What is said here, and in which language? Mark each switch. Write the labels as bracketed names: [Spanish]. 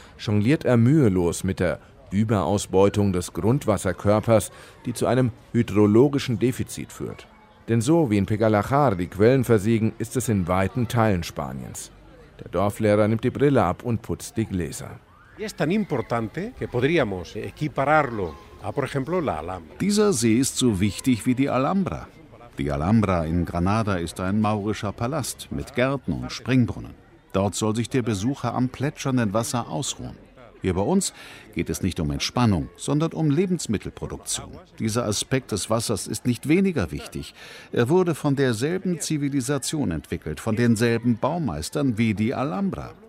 [German] Jongliert er mühelos mit der Überausbeutung des Grundwasserkörpers, die zu einem hydrologischen Defizit führt. Denn so wie in Pegalajar die Quellen versiegen, ist es in weiten Teilen Spaniens. Der Dorflehrer nimmt die Brille ab und putzt die Gläser. [Spanish] Es tan importante que podríamos equipararlo a, por ejemplo, la Alhambra. [German] Dieser See ist so wichtig wie die Alhambra. Die Alhambra in Granada ist ein maurischer Palast mit Gärten und Springbrunnen. Dort soll sich der Besucher am plätschernden Wasser ausruhen. Hier bei uns geht es nicht um Entspannung, sondern um Lebensmittelproduktion. Dieser Aspekt des Wassers ist nicht weniger wichtig. Er wurde von derselben Zivilisation entwickelt, von denselben Baumeistern wie die Alhambra.